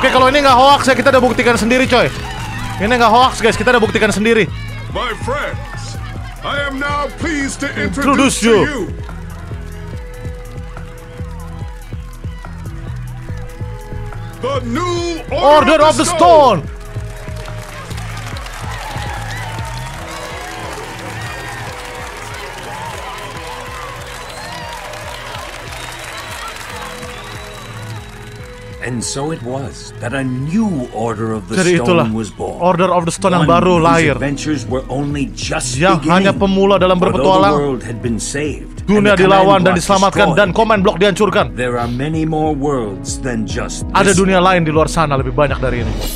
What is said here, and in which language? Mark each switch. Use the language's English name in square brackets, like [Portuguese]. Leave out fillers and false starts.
[Indonesian] Ini enggak hoax ya, kita udah buktikan sendiri, coy. Ini enggak hoax, guys. Kita udah buktikan sendiri. [English] My friends, I am now pleased to introduce you. The new Order of the Stone. And so it was that a new Order of the [Indonesian] Jadi [English] Stone [Indonesian] itulah, [English] was born. [Indonesian] Order of the Stone yang baru lahir. [English] Adventures were only just [Indonesian] yang [English] beginning. [Indonesian] Hanya pemula dalam berpetualang. [English] World had been saved, [Indonesian] dunia dilawan dan diselamatkan dan command block dihancurkan. [English] There are many more worlds than just this. [Indonesian] Ada dunia lain di luar sana lebih banyak dari ini.